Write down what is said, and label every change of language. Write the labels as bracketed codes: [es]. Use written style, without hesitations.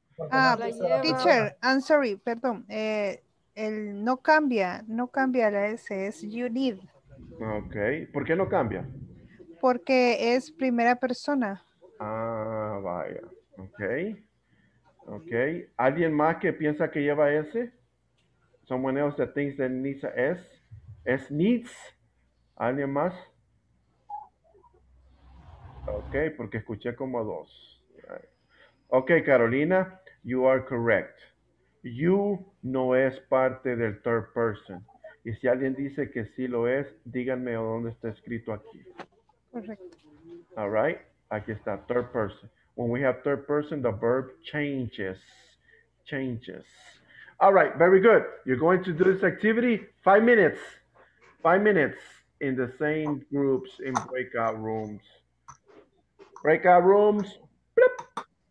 [es] Ah, [en] teacher, I'm sorry, [es] perdón. El no cambia, no cambia la S, es you need. Ok, ¿por qué no cambia? Porque es primera persona. Ah, vaya, ok. Ok, ¿alguien más que piensa que lleva S? [en] Someone else that thinks that needs a S. [es] Es needs. ¿Alguien más? [en] Ok, [es] porque escuché como dos. [en] Ok, Carolina, you are correct. [es] You no es parte del third person. Y si alguien dice que sí lo es, díganme dónde está escrito aquí. Correcto. [en] All right, [es] aquí está, [en] third person. When we have third person, the verb changes. Changes. All right, very good. You're going to do this activity 5 minutes. 5 minutes in the same groups in breakout rooms. Breakout rooms. Bloop.